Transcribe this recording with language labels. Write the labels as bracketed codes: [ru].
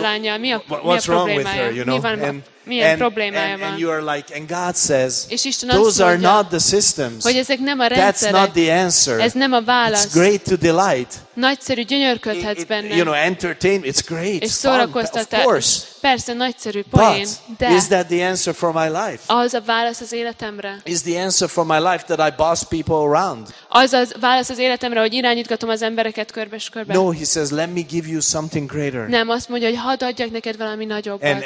[hu] lánya? Mi a [en] what's wrong with her, you know? [hu] Milyen problémája van. [en] And you are like, and God says, [hu] és Isten [en] those [hu] mondja, [en] are not the systems. [hu] Hogy ezek nem a rendszerek. [en] That's not the answer. [hu] Ez nem a válasz. [en] It's great to delight. [hu] Nagyszerű, gyönyörködhetsz benne. [en] You know, entertain, it's great. [hu] És szórakoztatás. [en] Of course. [hu] Persze, nagyszerű poén. [en] But is that the answer for my life? [hu] Az a válasz az életemre. [en] Is the answer for my life that I boss people around? [hu] Az a válasz az életemre, hogy irányítgatom az embereket körbe és körbe. [en] No, he says, let me give you something greater. [hu] Nem, azt mondja, hogy hadd adjak neked valami nagyobbat.